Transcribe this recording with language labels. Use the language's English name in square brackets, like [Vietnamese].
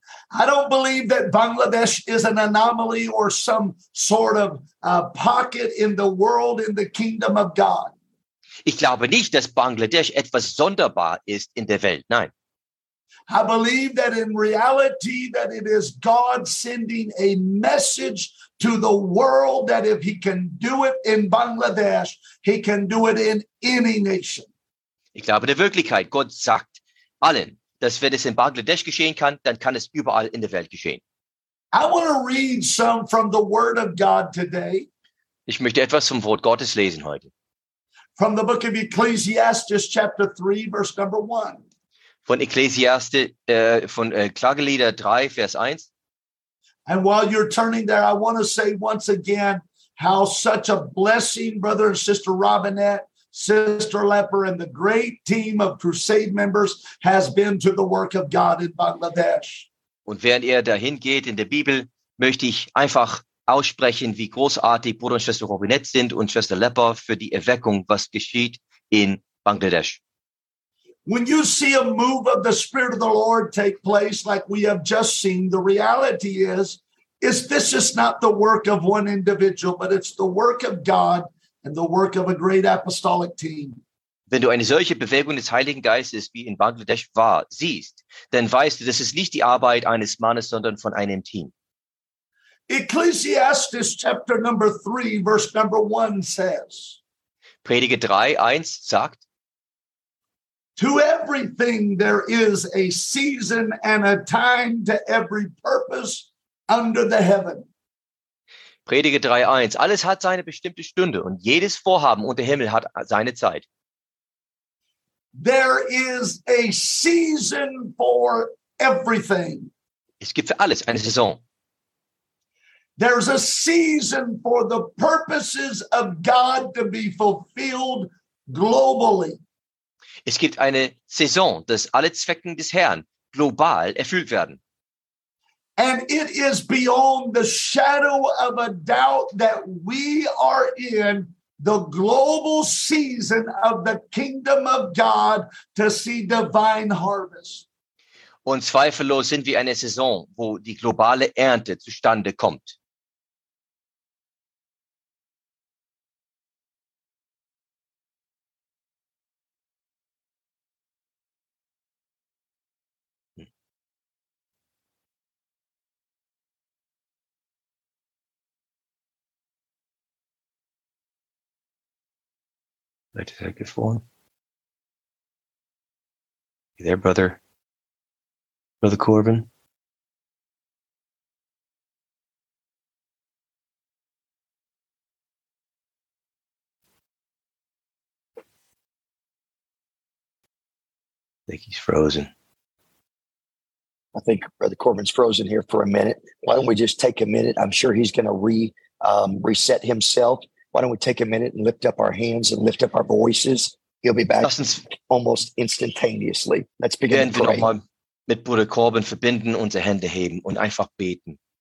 [English] I don't believe that Bangladesh is an anomaly or some sort of pocket in the world, in the kingdom of God. [German] Ich glaube nicht, dass Bangladesch etwas sonderbar ist in der Welt, nein. [English] I believe that in reality that it is God sending a message to the world that if he can do it in Bangladesh, he can do it in any nation. [German] Ich glaube in der Wirklichkeit, Gott sagt allen, dass wenn es in Bangladesch geschehen kann, dann kann es überall in der Welt geschehen. [English] I want to read some from the Word of God today. [German] Ich möchte etwas vom Wort Gottes lesen heute. [English] From the book of Ecclesiastes, chapter 3, verse number 1. [German] Von Ecclesiastes, von Klagelieder 3, Vers 1. [English] And while you're turning there, I want to say once again how such a blessing, brother and sister Robinette, Sister Leper and the great team of Crusade members has been to the work of God in Bangladesh. [German] Und während er dahin geht in der Bibel, möchte ich einfach aussprechen, wie großartig Bruder und Schwester Robinette sind und Schwester Leper für die Erweckung, was geschieht in Bangladesch. [English] When you see a move of the Spirit of the Lord take place like we have just seen, the reality is this is not the work of one individual, but it's the work of God. And the work of a great apostolic team. [German] Wenn du eine solche Bewegung des Heiligen Geistes, wie in Bangladesch war, siehst, dann weißt du, das ist nicht die Arbeit eines Mannes, sondern von einem Team. [English] Ecclesiastes chapter number 3, verse number 1 says, [German] Prediger 3, 1 sagt, [English] To everything there is a season and a time to every purpose under the heaven. [German] Prediger 3,1. Alles hat seine bestimmte Stunde und jedes Vorhaben unter Himmel hat seine Zeit. [English] There is a season for everything. [German] Es gibt für alles eine Saison. [English] There's a season for the purposes of God to be fulfilled globally. [German] Es gibt eine Saison, dass alle Zwecke des Herrn global erfüllt werden. [English] And it is beyond the shadow of a doubt that we are in the global season of the kingdom of God to see divine harvest. [German] Und zweifellos sind wir eine Saison, wo die globale Ernte zustande kommt. Seid ihr gefroren? [English] You there, brother? Brother Corbin? I think he's frozen. I think Brother Corbin's frozen here for a minute. Why don't we just take a minute? I'm sure he's going to reset himself. Why don't we take a minute and lift up our hands and lift up our voices? He'll be back almost instantaneously. Let's begin to pray. [German] Werden wir nochmal mit Bruder Corbin verbinden, unsere Hände heben und einfach beten.